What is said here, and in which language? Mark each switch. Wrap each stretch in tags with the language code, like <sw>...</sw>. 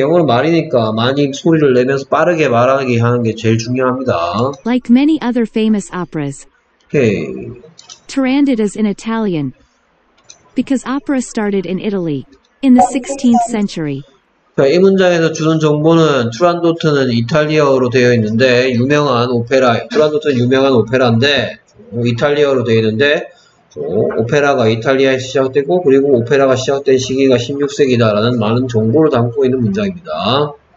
<ko>영어는 말이니까 많이 소리를 내면서 빠르게 말하기 하는 게 제일 중요합니다.</ko> <en>Like many other famous operas. 오케이. Tyrandit is in Italian because opera started in Italy in the 16th century.</en> <ko>자, 이 문장에서 주는 정보는 트란도트는 이탈리아어로 되어 있는데 유명한 오페라. 트란도트는 유명한 오페라인데 이탈리아어로 되어 있는데 오페라가 이탈리아에 시작되고 그리고 오페라가 시작된 시기가 16세기다 라는 많은 정보를 담고 있는 문장입니다.</ko>